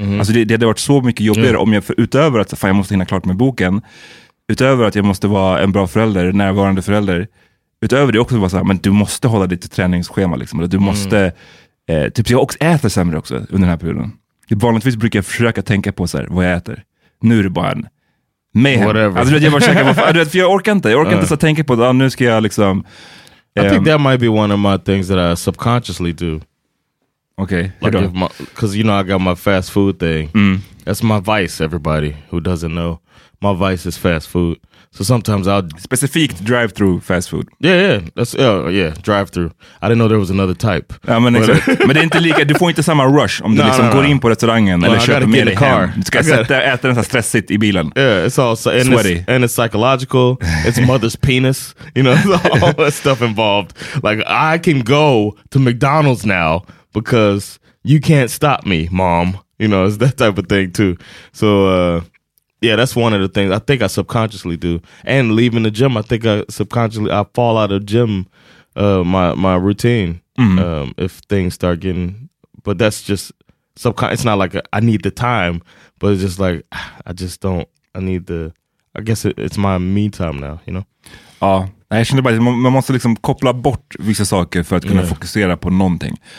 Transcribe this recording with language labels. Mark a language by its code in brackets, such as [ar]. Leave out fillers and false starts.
[sv] Alltså det hade varit så mycket jobbigare om jag, utöver att fan, jag måste hinna klart med boken, utöver att jag måste vara en bra förälder, närvarande förälder, utöver det också vara så här, men du måste hålla ditt träningsschema liksom, eller du måste typ, jag också äter sämre också under den här perioden. Vanligtvis brukar jag försöka tänka på så här, vad jag äter. Nu är det bara en mayhem. Alltså, jag bara käkar, för jag orkar inte. Jag orkar inte så tänka på det. Nu ska jag liksom... [en] I think that might be one of my things that I subconsciously do. Okay. Because you know I got my fast food thing. That's my vice, everybody who doesn't know. My vice is fast food. So sometimes I'll... Specifically drive-thru fast food. Yeah, drive-thru. I didn't know there was another type. [sv] Ja, men exakt. Men det är inte lika, du får inte samma rush om du liksom går in på restaurangen eller köper med dig hem. Du ska äta den så stressigt i bilen. [en] Yeah, it's all sweaty. And it's psychological. It's mother's penis. You know, all that stuff involved. Like, I can go to McDonald's now because you can't stop me, mom. You know, it's that type of thing too. So, yeah, that's one of the things I think I subconsciously do. And leaving the gym, I think I fall out of gym, my routine, if things start getting... But that's just... it's not like I need the time, but it's just like, I just don't... I need the... I guess it's my me time now, you know? [sv] Ja, jag känner bara att man måste liksom koppla bort vissa saker för att kunna fokusera på någonting.